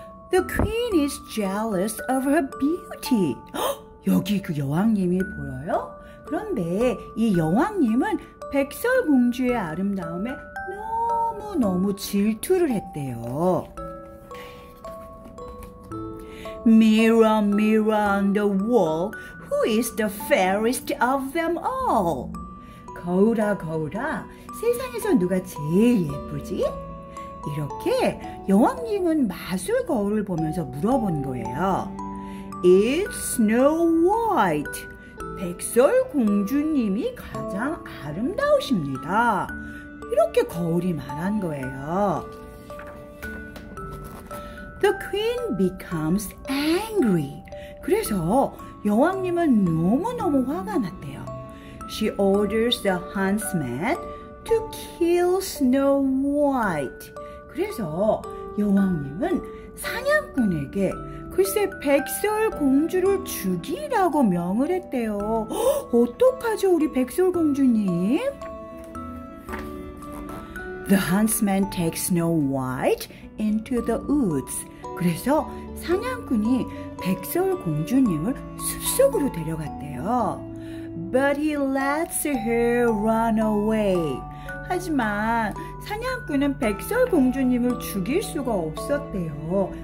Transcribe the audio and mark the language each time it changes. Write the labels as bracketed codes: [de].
[en] The queen is jealous of her beauty. [ko] 여기 그 여왕님이 보여요? 그런데 이 여왕님은 백설공주의 아름다움에 너무너무 질투를 했대요. [en] Mirror, mirror on the wall, who is the fairest of them all? [ko] 거울아, 거울아, 세상에서 누가 제일 예쁘지? 이렇게 여왕님은 마술 거울을 보면서 물어본 거예요. [en] It's Snow White. [ko] 백설공주님이 가장 아름다우십니다. 이렇게 거울이 말한 거예요. [en] The queen becomes angry. [ko] 그래서 여왕님은 너무너무 화가 났대요. [en] She orders the huntsman to kill Snow White. [ko] 그래서 여왕님은 사냥꾼에게 글쎄 백설공주를 죽이라고 명을 했대요. 어떡하죠 우리 백설공주님? [en] The huntsman takes Snow White into the woods. [ko] 그래서 사냥꾼이 백설공주님을 숲속으로 데려갔대요. [en] But he lets her run away. [ko] 하지만 사냥꾼은 백설공주님을 죽일 수가 없었대요.